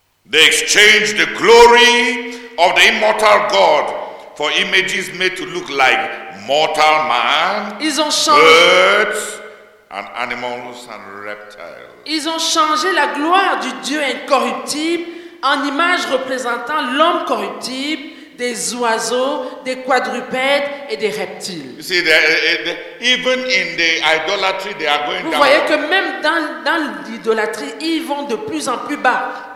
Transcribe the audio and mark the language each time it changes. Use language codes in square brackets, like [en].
[en] They exchanged the glory of the immortal God for images made to look like mortal man. [fr] Ils ont changé [en] birds and animals and reptiles. [fr] Ils ont changé la gloire du Dieu incorruptible en images représentant l'homme corruptible, des oiseaux, des quadrupèdes et des reptiles. [en] You see, even in the idolatry, they are going [fr] Vous [en] down. [fr] Voyez que même dans l'idolâtrie, ils vont de plus en plus bas.